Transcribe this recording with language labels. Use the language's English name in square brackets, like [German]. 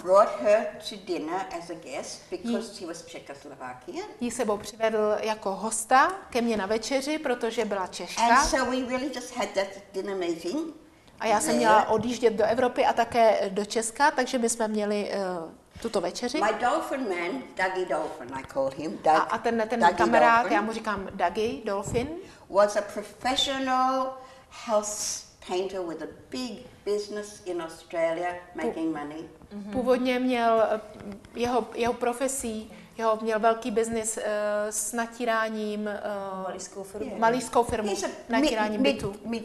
[English] Brought her to dinner as a guest because she was Czechoslovakian. [Czech] Jí sebou přivedl jako hosta ke mně na večeři, protože byla Češka. [English] And so we really just had that dinner meeting. [Czech] A já jsem měla odjíždět do Evropy a také do Česka, takže my jsme měli tuto večeři. [English] My dolphin man, Dougie Dolphin, I call him. Doug, [Czech] a ten Dougie kamarád, dolphin, já mu říkám Dougie Dolphin. [English] Was a professional health painter with a big business in Australia making money. [Czech] Původně měl jeho profesí, jeho měl velký business s natíráním malířskou firmu, natíráním bytu.